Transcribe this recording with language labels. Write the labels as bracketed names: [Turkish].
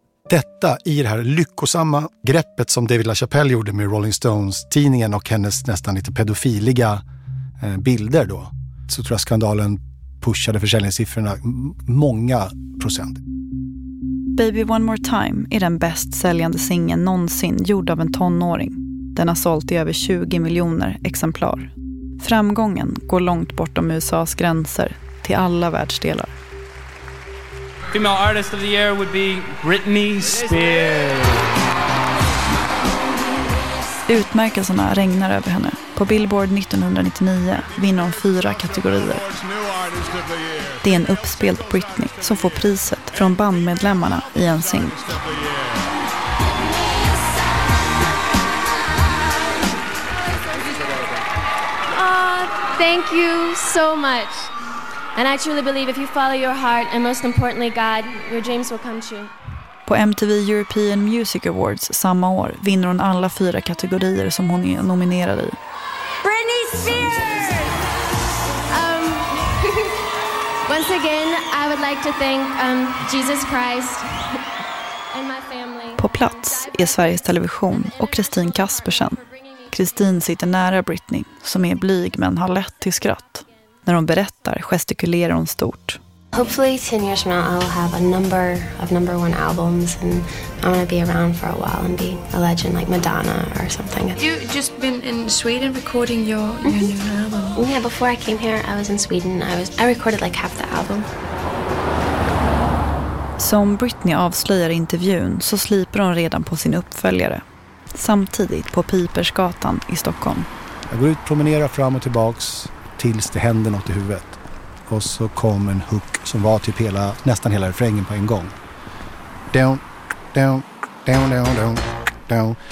[Swedish] Detta i det här lyckosamma greppet som David LaChapelle gjorde med Rolling Stones-tidningen och hennes nästan lite pedofiliga bilder då, så tror jag skandalen pushade försäljningssiffrorna många procent. Baby One More Time är den bäst säljande singeln någonsin gjord av en tonåring. Den har sålt i över 20 miljoner exemplar. Framgången går långt bortom USAs gränser till alla världsdelar. [English] Female artist of the year would be Britney Spears. [Swedish] Utmärkelserna regnar över henne. På Billboard 1999 vinner hon fyra kategorier. Det är en uppspelt Britney som får priset från bandmedlemmarna i NSYNC. [English] Thank you so much. And I truly believe if you follow your heart and most importantly God, your dreams will come true. [Swedish] På MTV European Music Awards samma år vinner hon alla fyra kategorier som hon är nominerad i. [English] Britney Spears! Once again, I would like to thank Jesus Christ and my family. [Swedish] På plats är Sveriges Television och Kristin Kaspersen. Kristin sitter nära Britney, som är blyg men har lätt till skratt. När hon berättar gestikulerar hon stort. [English] Hopefully 10 years from now I'll have a number of number one albums and I'm gonna be around for a while and be a legend like Madonna or something. You just been in Sweden recording your new album? Yeah, before I came here I was in Sweden. I recorded like half the album. [Swedish] Som Britney avslöjar i intervjun så sliper hon redan på sin uppföljare. Samtidigt på Pipersgatan i Stockholm. Jag går ut och promenerar fram och tillbaks tills det händer något i huvudet. Och så kom en hook som var typ hela, nästan hela refrängen på en gång. [English] Down, down, down, down, down.